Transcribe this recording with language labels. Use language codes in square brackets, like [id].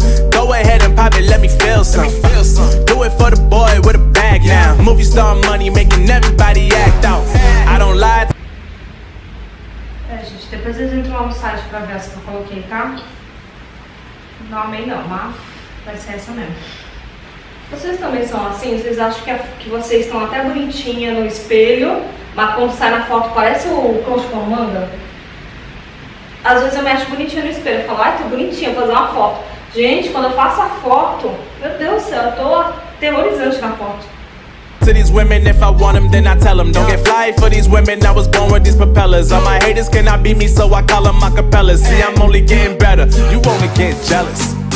[en] Go ahead and pop it, let me feel some. Do it for the boy with a bag now. Movie star money making everybody act out. I don't lie. [pt] É, gente, depois vocês entram lá no site pra ver as que eu coloquei, tá? Não amei não, mas vai ser essa mesmo. Essa aqui que eu mesmo. Vocês também são assim? Vocês acham que vocês estão até bonitinha no espelho, mas quando sai na foto parece o coach comanda? Às vezes eu me acho bonitinha no espelho, eu falo, ai, tô bonitinha, vou fazer uma foto. Gente, quando eu faço a foto, meu Deus do céu, eu tô aterrorizante na foto. [en] To these women, if I want them, then I tell them. Don't get fly for these women, I was born with these propellers. All my haters cannot beat me, so I call them acapellas. See, I'm only getting better, you only get jealous.